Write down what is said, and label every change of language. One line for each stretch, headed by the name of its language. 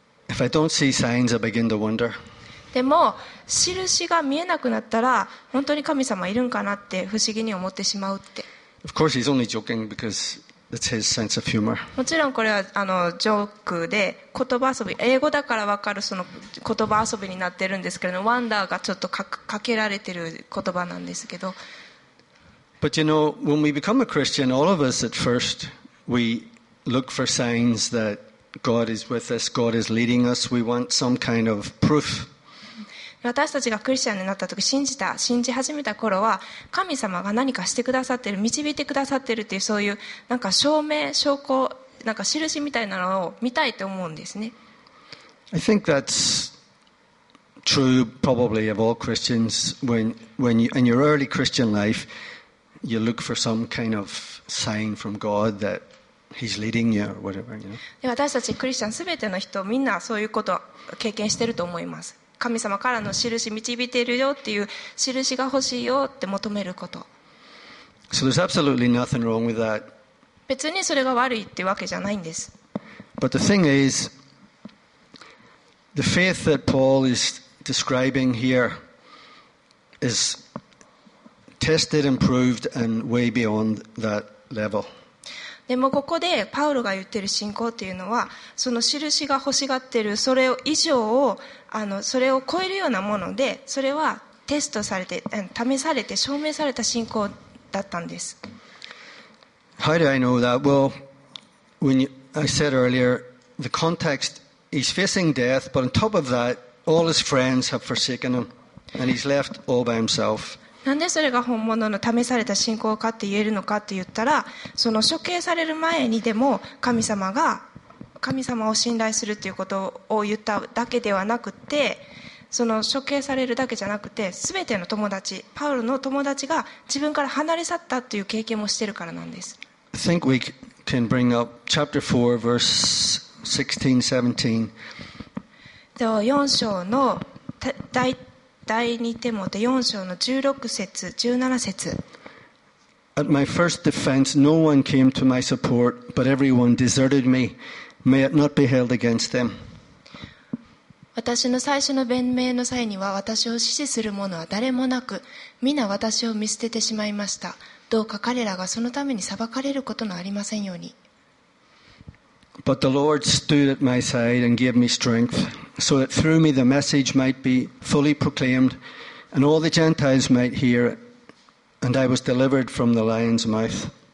English: If I don't see signs, I begin to wonder.
Japanese: でも印が見えなくなったら本当に神様いるんかなって不思議に思ってしまうって。
English: Of course, he's only joking because That's his sense of humor.
Japanese: もちろんこれはジョークで言葉遊び、英語だから分かるその言葉遊びになってるんですけれども、ワンダーがちょっと かけられてる言葉なんですけど。
English: But you know, when we become a Christian, all of us at first, we look for signs that God is with us, God is leading us. We want some kind of proof.
Japanese: 私たちがクリスチャンになった時、信じ始めた頃は、神様が何かしてくださっている、導いてくださっているっていう、そういうなんか証明、証拠、なんか印みたいなのを見たいと思うんですね。
English: I think that's true probably of all Christians. When you, in your early Christian life, you look for some kind of sign from God that He's leading you or whatever, you know?
Japanese: 私たちクリスチャン、すべての人、みんなそういうことを経験していると思います。神様からの印導いているよっていう印が欲しいよって求めること。
English: So there's absolutely nothing wrong with that.
Japanese: 別にそれが悪いってわけじゃないんです。
English: But the thing is, the faith that Paul is describing here is tested and proved and way beyond that level.
Japanese: でもここでパウロが言っている信仰というのは、その印が欲しがっている、それ以上をそれを超えるようなもので、それはテストされて、試されて、証明された信仰だったんです。
English: How do I know that? Well, I said earlier, the context, he's facing death, but on top of that, all his friends have forsaken him, and he's left all by himself.
Japanese: なんでそれが本物の試された信仰かって言えるのかって言ったら、その処刑される前にでも神様を信頼するということを言っただけではなくて、その処刑されるだけじゃなくて、全ての友達、パウロの友達が自分から離れ去ったという経験もしているからなんです。
English: I think we can bring up chapter 4 verse 16-17.
Japanese: 4章の第2テモテ4章の16節17節。
English: At my first defense, no one came to my support, but everyone deserted me. May it not be held against them.
Japanese: 私の最初の弁明の際には、私を支持する者は誰もなく、皆私を見捨ててしまいました。どうか彼らがそのために裁かれることのありませんように。
English: But the Lord stood at my side and gave me strength. So that through me the message might be fully proclaimed, and all the Gentiles might hear it, and I was delivered from the lion's mouth.